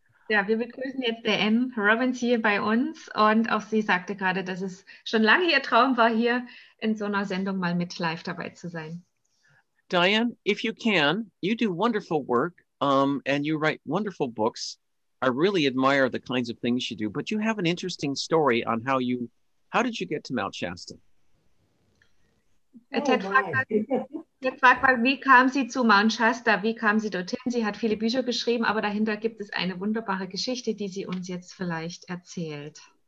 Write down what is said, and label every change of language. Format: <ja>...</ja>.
<de>Ja, wir begrüßen jetzt Diane Robbins hier bei uns. Und auch sie sagte gerade, dass es schon lange ihr Traum war, hier in so einer Sendung mal mit live dabei zu sein.</de> <en>Diane, if you can, you do wonderful work and you write wonderful books. I really admire the kinds of things you do, but you have an interesting story on how did you get to Mount Shasta?</en> <de>Jetzt fragt mal, wie kam sie zu Mount Shasta? Wie kam sie dorthin? Sie hat viele Bücher geschrieben, aber dahinter gibt es eine wunderbare Geschichte, die sie uns jetzt vielleicht erzählt.</de>